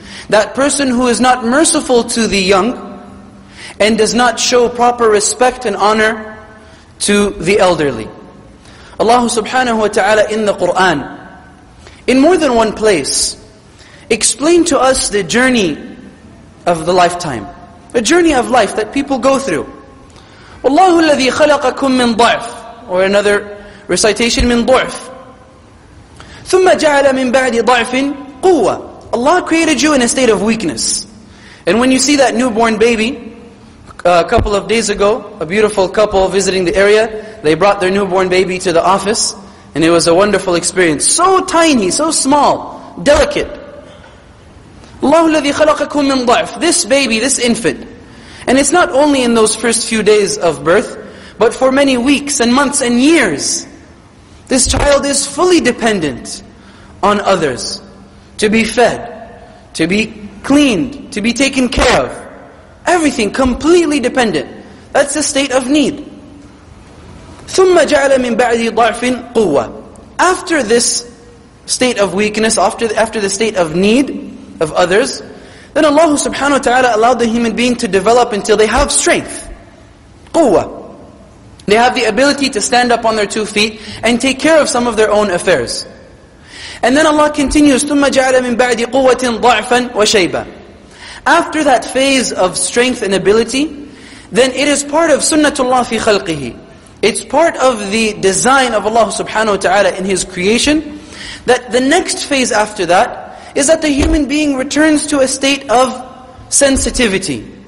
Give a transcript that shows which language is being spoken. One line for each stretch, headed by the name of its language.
English: That person who is not merciful to the young and does not show proper respect and honor to the elderly. Allah subhanahu wa ta'ala in the Qur'an, in more than one place, explained to us the journey of the lifetime, the journey of life that people go through.
Arabic: وَاللَّهُ الَّذِي خَلَقَكُمْ مِنْ ضَعْفٍ,
English: or another recitation,
Arabic: مِنْ ضُعْفٍ ثُمَّ جَعَلَ مِنْ بَعْدِ ضَعْفٍ قُوَّةٍ.
English: Allah created you in a state of weakness. And when you see that newborn baby, a couple of days ago, a beautiful couple visiting the area, they brought their newborn baby to the office, and it was a wonderful experience. So tiny, so small, delicate.
Arabic: اللَّهُ الَّذِي خَلَقَكُمْ مِنْ ضَعْفٍ.
English: This baby, this infant, and it's not only in those first few days of birth, but for many weeks and months and years, this child is fully dependent on others to be fed, to be cleaned, to be taken care of. Everything completely dependent. That's a state of need.
Arabic: ثُمَّ جَعَلَ مِنْ بَعْدِ ضَعْفٍ قُوَّةٍ.
English: After this state of weakness, after the state of need of others, then Allah subhanahu wa ta'ala allowed the human being to develop until they have strength. quwwah. They have the ability to stand up on their two feet and take care of some of their own affairs. And then Allah continues,
Arabic: ثُمَّ جَعْلَ مِنْ بَعْدِ قُوَّةٍ ضَعْفًا وَشَيْبًا.
English: After that phase of strength and ability, then it is part of sunnatullah fi khalqihi. It's part of the design of Allah subhanahu wa ta'ala in His creation, that the next phase after that is that the human being returns to a state of sensitivity.